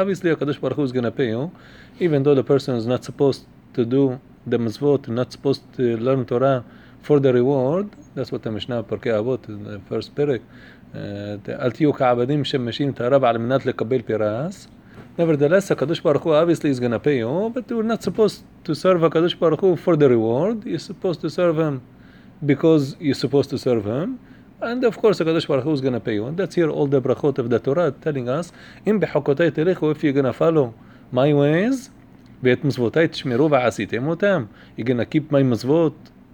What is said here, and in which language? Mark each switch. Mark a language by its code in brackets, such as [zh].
[en] Obviously HaKadosh Baruch Hu is going to pay you, even though the person is not supposed to do the mitzvot, not supposed to learn Torah for the reward. That's what the Mishnah Parkei Avot, the first perek, [he] אל תהיו כעבדים שמשים את הרב על מנת לקבל פרס. [en] Nevertheless, הקדוש ברוך הוא obviously is gonna pay you, but you're not supposed to serve הקדוש ברוך הוא for the reward. You're supposed to serve him because you're supposed to serve him, and of course הקדוש ברוך הוא is gonna pay you. That's here all the ברכות of the Torah telling us, [he] אם בחוקותיי תלכו, [en] if you're gonna follow my ways, [he] ואת מצוותיי תשמרו ועשיתם אותם, [en] you're gonna keep my מצוות.